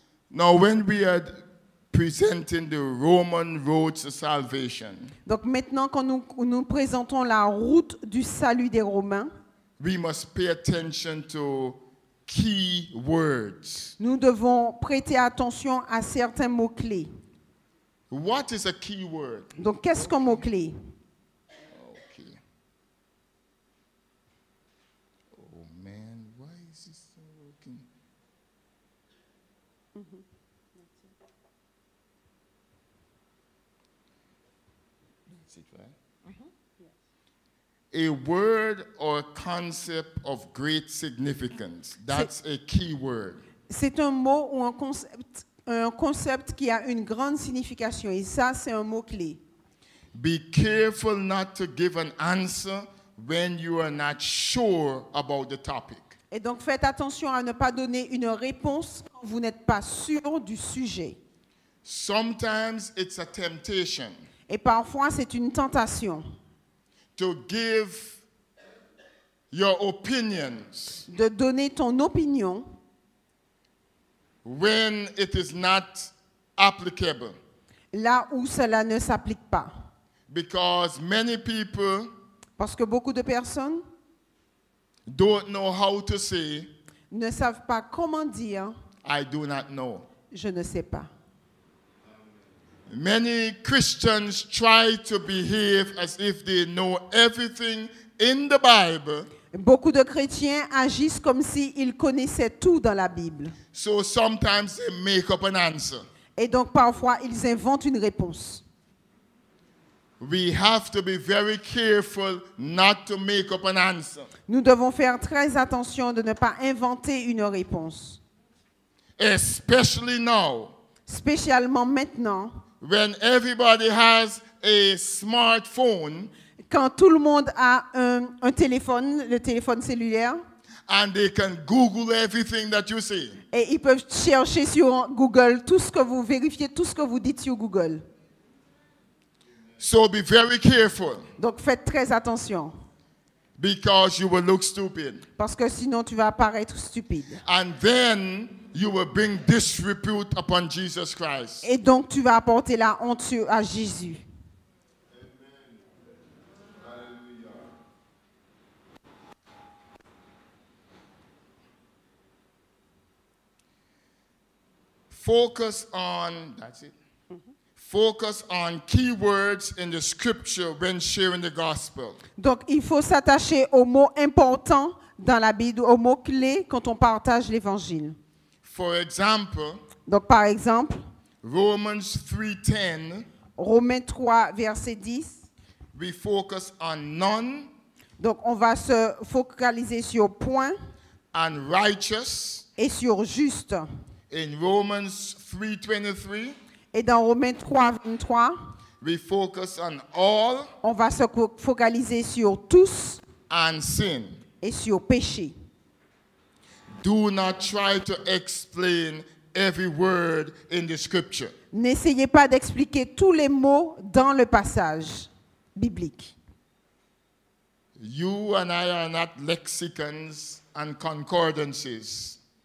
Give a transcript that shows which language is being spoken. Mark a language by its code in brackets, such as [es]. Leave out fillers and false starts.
[en] Now when we are presenting the Roman road to salvation. [fr] Donc maintenant quand nous présentons la route du salut des Romains. [en] We must pay attention to key words. [fr] Nous devons prêter attention à certains mots clés. [en] What is a key word? [fr] Donc qu'est-ce qu'un mot clé? [en] Okay. Oh man, why is this not working? That's it, right? Mm-hmm. Yes. A word or concept of great significance. That's a key word. [fr] C'est un mot ou un concept qui a une grande signification. Et ça, c'est un mot clé. [en] Be careful not to give an answer when you are not sure about the topic. [fr] Et donc, faites attention à ne pas donner une réponse quand vous n'êtes pas sûr du sujet. [en] Sometimes it's a temptation. [fr] Et parfois, c'est une tentation. [en] To give your opinions. [fr] De donner ton opinion. [en] When it is not applicable. [fr] Là où cela ne s'applique pas. [en] Because many people. [fr] Parce que beaucoup de personnes. [en] Don't know how to say. [fr] Ne savent pas comment dire. [en] I do not know. [fr] Je ne sais pas. [en] Many Christians try to behave as if they know everything in the Bible. [fr] Beaucoup de chrétiens agissent comme s'ils connaissaient tout dans la Bible. [en] So sometimes they make up an answer. [fr] Et donc parfois ils inventent une réponse. [en] We have to be very careful not to make up an answer. [fr] Nous devons faire très attention de ne pas inventer une réponse. [en] Especially now. [fr] Spécialement maintenant. [en] When everybody has a smartphone. [fr] Quand tout le monde a un téléphone, le téléphone cellulaire. [en] And they can Google everything that you say. [fr] Et ils peuvent chercher sur Google tout ce que vous vérifiez, tout ce que vous dites sur Google. [en] So be very careful. [fr] Donc faites très attention. [en] Because you will look stupid. [fr] Parce que sinon tu vas apparaître stupide. [en] And then you will bring disrepute upon Jesus Christ. [fr] Et donc tu vas apporter la honte à Jésus. [en] Focus on, that's it. Mm-hmm. Focus on key words in the scripture when sharing the gospel. [fr] Donc, il faut s'attacher aux mots importants dans la Bible, aux mots clés quand on partage l'évangile. [en] For example, [fr] donc, par exemple, [en] Romans 3:10, [fr] Romains 3, verset 10, [en] we focus on none, [fr] donc on va se focaliser sur point, [en] and righteous, [fr] et sur juste. [en] In Romans 3:23, [fr] et dans Romains 3:23, [en] we focus on all, [fr] on va se focaliser sur tous, [en] and sin, [fr] et sur péché. [en] Do not try to explain every word in the scripture. [fr] N'essayez pas d'expliquer tous les mots dans le passage biblique. [en] You and I are not lexicons and concordances.